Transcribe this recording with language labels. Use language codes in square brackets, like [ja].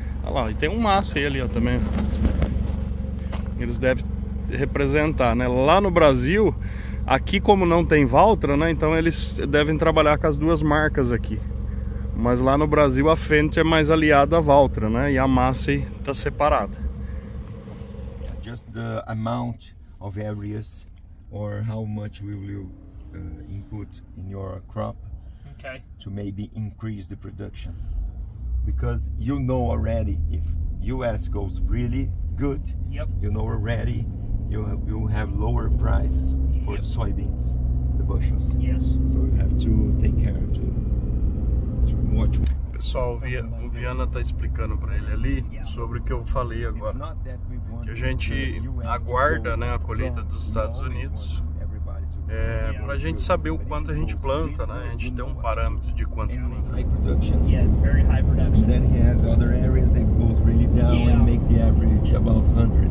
[pt] Olha lá, e tem um Massa aí ali, ó, também. Eles devem representar, né? Lá no Brasil, aqui como não tem Valtra, né? Então eles devem trabalhar com as duas marcas aqui. Mas lá no Brasil a Fendt é mais aliada à Valtra, né? E a Massey tá separada. [en] Just the amount of areas or how much will you input in your crop, okay, to maybe increase the production. Because you know already if US goes really good, yep, you know already you have lower price for, yep, the soybeans, the bushels. Yes. So you have to take care to watch. [pt] Pessoal, o Viana está explicando para ele ali sobre o que eu falei agora. Que a gente aguarda, né, a colheita dos Estados Unidos, é, para a gente saber o quanto a gente planta, né? A gente tem um parâmetro de quanto planta. [en] High production. Yes, very high production. Then he has other areas that goes really down and make the average about 100.